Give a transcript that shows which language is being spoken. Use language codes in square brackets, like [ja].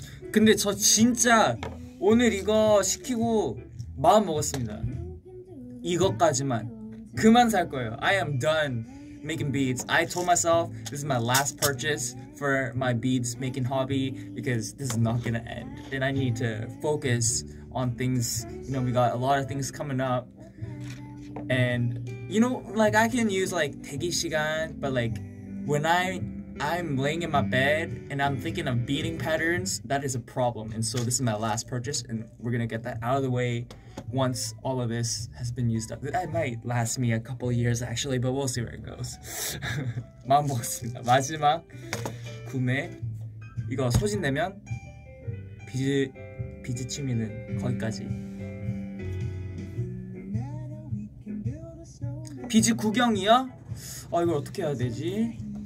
[ko] 근데 저 진짜 오늘 이거 시키고 마음 먹었습니다. 이것까지만. 그만 살 거예요. [en] I am done making beads. I told myself this is my last purchase for my beads making hobby because this is not gonna end. And I need to focus on things. You know, we got a lot of things coming up. And you know, like I can use like 대기 시간, but like when I'm laying in my bed and I'm thinking of beading patterns, that is a problem. And so this is my last purchase and we're gonna get that out of the way once all of this has been used up. That might last me a couple years actually, but we'll see where it goes. [ko] 마음 먹었습니다. 마지막 구매. 이거 소진되면 비즈 취미는 거기까지. 비즈 구경이야? 아 이걸 어떻게 해야 되지?